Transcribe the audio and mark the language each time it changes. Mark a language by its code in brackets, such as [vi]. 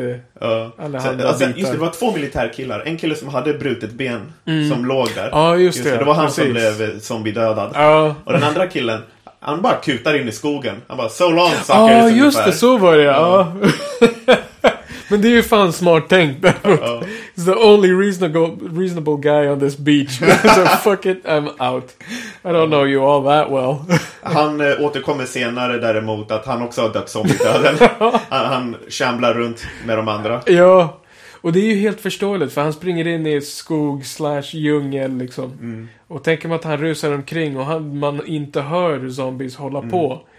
[sv] Just det, var två militärkillar. En kille som hade brutet ben som låg där. Ja, just det. Det var han som blev zombiedödad. Ja. Och den andra killen, han bara kutar in i skogen. Han bara, [en] so long, sucker. [sv] Ja, just ungefär. Det, så var det. Ja. Men det är ju fan smart tänkt. [en] It's the only reasonable guy on this beach. So fuck it, I'm out. I don't know you all that well. [sv] Han återkommer senare däremot att han också har dött zombiedöden. Han shamblar runt med de andra. Ja, och det är ju helt förståeligt. För han springer in i skog / djungel liksom. Mm. Och tänker man att han rusar omkring och man inte hör zombies hålla på.